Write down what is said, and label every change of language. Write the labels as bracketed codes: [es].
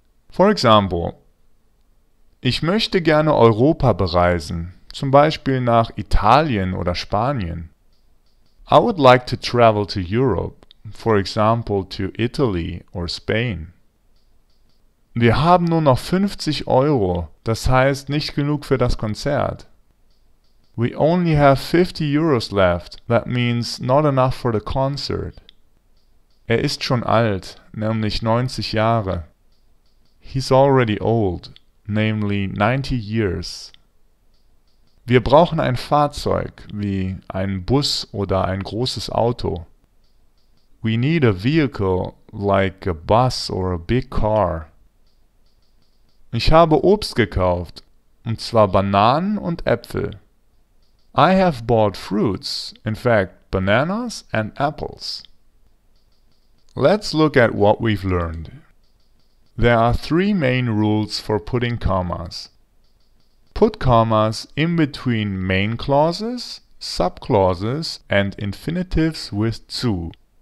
[en] For example, [de] ich möchte gerne Europa bereisen, zum Beispiel nach Italien oder Spanien. [en] I would like to travel to Europe, for example to Italy or Spain. [de] Wir haben nur noch 50 Euro, das heißt nicht genug für das Konzert. [en] We only have 50 euros left, that means not enough for the concert. [de] Er ist schon alt, nämlich 90 Jahre. [en] He's already old, namely 90 years. [de] Wir brauchen ein Fahrzeug, wie ein Bus oder ein großes Auto. [en] We need a vehicle, like a bus or a big car. [de] Ich habe Obst gekauft, und zwar Bananen und Äpfel. [en] I have bought fruits, in fact, bananas and apples. Let's look at what we've learned. There are three main rules for putting commas. Put commas in between main clauses, subclauses, and infinitives with zu.